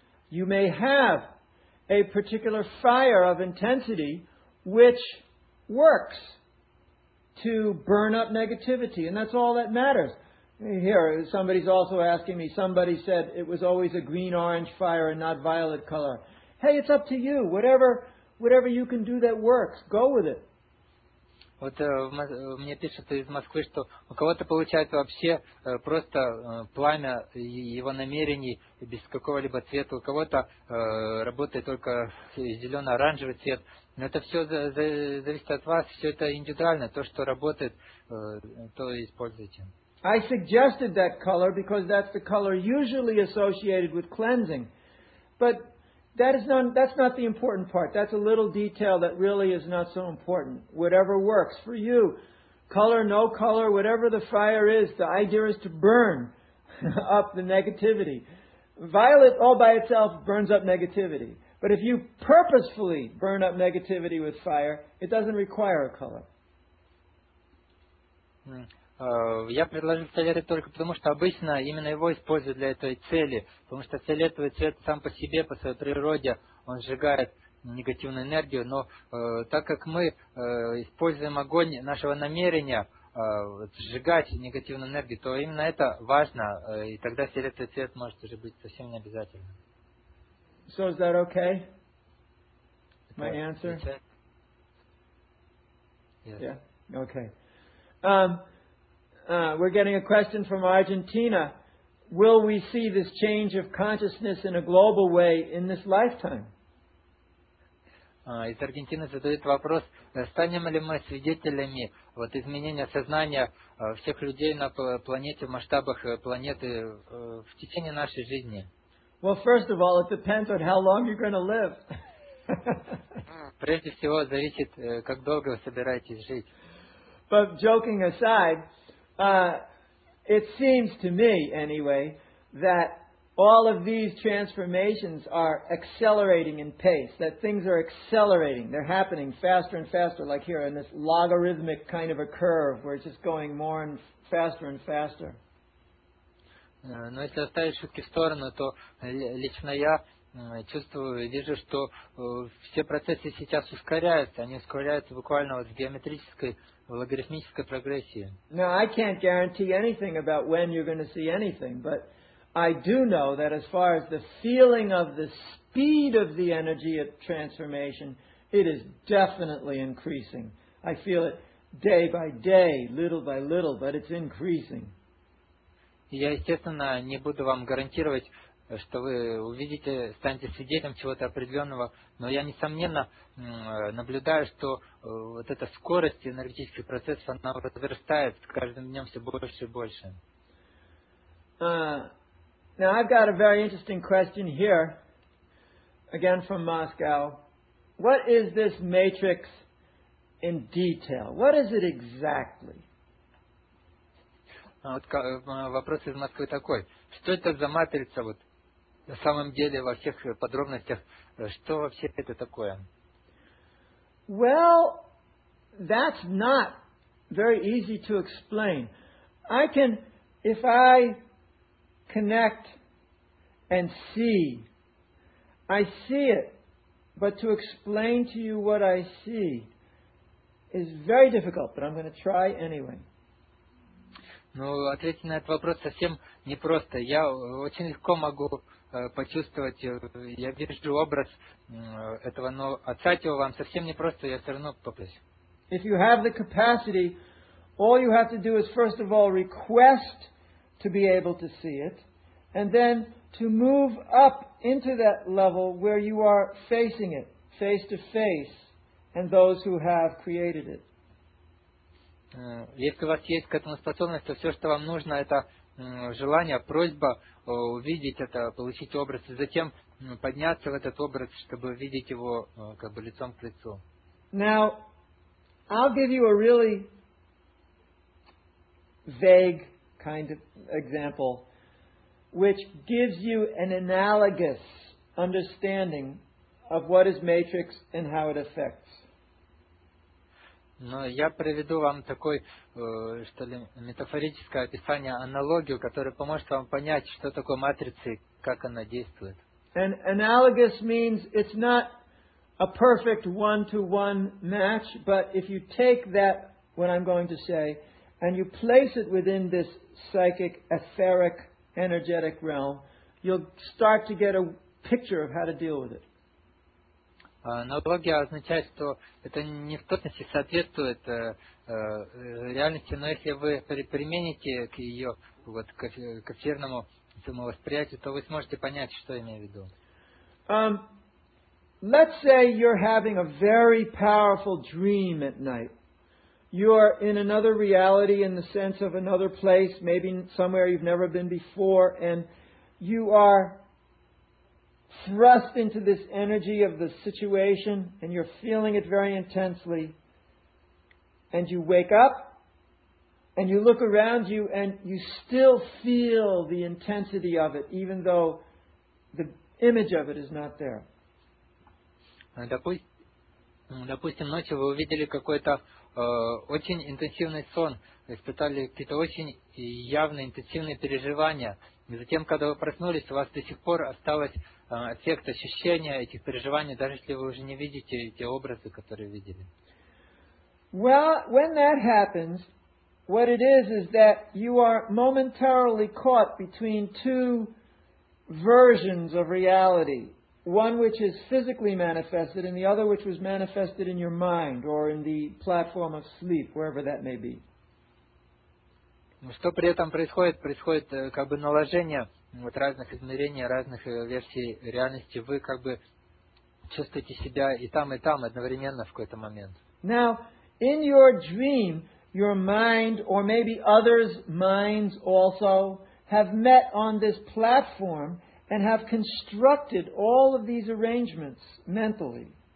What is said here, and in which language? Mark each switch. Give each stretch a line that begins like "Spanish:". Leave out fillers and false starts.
English: You may have a particular fire of intensity which works to burn up negativity, and that's all that matters. Here, somebody's also asking me, somebody said it was always a green-orange fire and not violet color. Hey, it's up to you. Whatever you can do that works, go with it.
Russian: Вот мне пишут из Москвы, что у кого-то получается вообще просто пламя его намерений без какого-либо цвета, у кого-то работает только зелено-оранжевый цвет. Но это все зависит от вас, все это индивидуально, то, что работает, то и используйте.
English: I suggested that color because that's the color usually associated with cleansing. But that's not the important part. That's a little detail that really is not so important. Whatever works for you. Color, no color, whatever the fire is, the idea is to burn up the negativity. Violet all by itself burns up negativity. But if you purposefully burn up negativity with fire, it doesn't require a color.
Russian: Я предложил фиолетовый только потому, что обычно именно его используют для этой цели. Потому что фиолетовый цвет сам по себе, по своей природе, он сжигает негативную энергию. Но так как мы используем огонь нашего намерения сжигать негативную энергию, то именно это важно. И тогда фиолетовый цвет может уже быть совсем не обязательным.
English: So is that okay? My answer? Yes. Yeah? Okay. We're getting a question from Argentina. Will we see this change of consciousness in a global way in this lifetime?
Russian: Из Аргентины задают вопрос, станем ли мы свидетелями вот изменения сознания всех людей на планете в масштабах планеты в течение нашей жизни?
English: Well, first of all, it depends on how long you're going to live.
Russian: Прежде всего зависит, как долго вы собираетесь жить.
English: But joking aside, it seems to me, anyway, that all of these transformations are accelerating in pace, that things are accelerating, they're happening faster and faster, like here in this logarithmic kind of a curve, where it's just going more and faster and faster.
Russian: Но если оставить шутки в сторону, то лично я чувствую и вижу, что все процессы сейчас ускоряются. Они ускоряются буквально вот в геометрической, в логарифмической прогрессии.
English: Now, I can't guarantee anything about when you're going to see anything, but I do know that as far as the feeling of the speed of the energy of transformation, it is definitely increasing. I feel it day by day, little by little, but it's increasing.
Russian: Я, естественно, не буду вам гарантировать, что вы увидите, станете свидетелем чего-то определенного, но я, несомненно, наблюдаю, что вот эта скорость энергетических процессов, она возрастает с каждым днем все больше и больше.
English: Now, I've got a very interesting question here, again from Moscow. What is this matrix in detail? What is it exactly?
Russian: Вот вопрос из Москвы такой. Что это за матрица вот на самом деле во всех подробностях? Что вообще это такое?
English: Well, that's not very easy to explain. I can, if I connect and see, I see it, but to explain to you what I see is very difficult, but I'm going to try anyway.
Russian: Ну, ответить на этот вопрос совсем непросто. Я очень легко могу почувствовать, я вижу образ этого, но отдать его вам совсем непросто, я все равно попросил.
English: If you have the capacity, all you have to do is first of all request to be able to see it, and then to move up into that level where you are facing it, face to face, and those who have created it.
Russian: Если у вас есть к этому способность, то все, что вам нужно, это желание, просьба увидеть это, получить образ, и затем подняться в этот образ, чтобы видеть его как бы лицом к лицу.
English: Now, I'll give you a really vague kind of example, which gives you an analogous understanding of what is matrix and how it affects.
Russian: Но я приведу вам такой, что ли, метафорическое описание, аналогию, которая поможет вам понять, что такое матрица и как она действует.
English: And analogous means it's not a perfect one-to-one match, but if you take that, what I'm going to say, and you place it within this psychic, etheric, energetic realm, you'll start to get a picture of how to deal with it.
Russian: Аналогия означает, что это не в точности соответствует реальности, но если вы примените к ее вот, к эфирному самовосприятию, то вы сможете понять, что я имею в виду.
English: Let's say you're having a very powerful dream at night. you are in another reality in the sense of another place, maybe somewhere you've never been before, and you are thrust into this energy of the situation, and you're feeling it very intensely, and you wake up, and you look around you, and you still feel the intensity of it, even though the image of it is not there.
Russian: Допустим, ночью вы увидели какой-то очень интенсивный сон, испытали какие-то очень явные интенсивные переживания. И затем, когда вы проснулись, у вас до сих пор осталось эффект ощущения этих переживаний, даже если вы уже не видите эти образы, которые видели.
English: Well, when that happens, what it is that you are momentarily caught between two versions of reality. One which is physically manifested and the other which was manifested in your mind or in the platform of sleep, wherever that may be.
Russian: Что при этом происходит? Происходит как бы наложение вот разных измерений, разных версий реальности. Вы как бы чувствуете себя и там одновременно в какой-то момент.
English: Now, in your dream, your mind or maybe others' minds also have met on this platform and have constructed all of these arrangements mentally.